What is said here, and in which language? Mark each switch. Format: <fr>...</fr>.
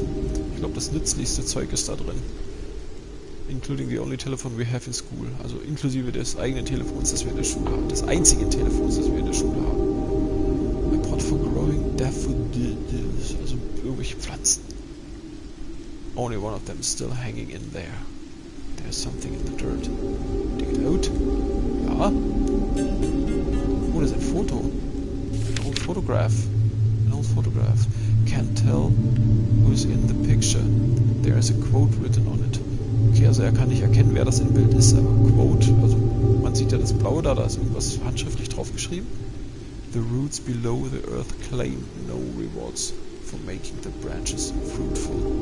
<de>Ich glaube, das nützlichste Zeug ist da drin.</de> <en>Including the only telephone we have in school.</en> <de>Also inklusive des eigenen Telefons, das wir in der Schule haben. Des einzigen Telefons, das wir in der Schule haben.</de> <en>A pot for growing daffodils.</en> <de>Also irgendwelche Pflanzen.</de> <en>Only one of them is still hanging in there. There's something in the dirt. Dig it out. Ja.</en> <de>Oh, das ist ein Foto.</de> <en>An old photograph. An old photograph. Can't tell who's in the picture. There is a quote written on it.</en> <de>Okay, also er kann nicht erkennen, wer das im Bild ist, aber quote. Also man sieht ja das Blaue da, da ist irgendwas handschriftlich drauf geschrieben.</de> <en>The roots below the earth claim no rewards for making the branches fruitful.</en>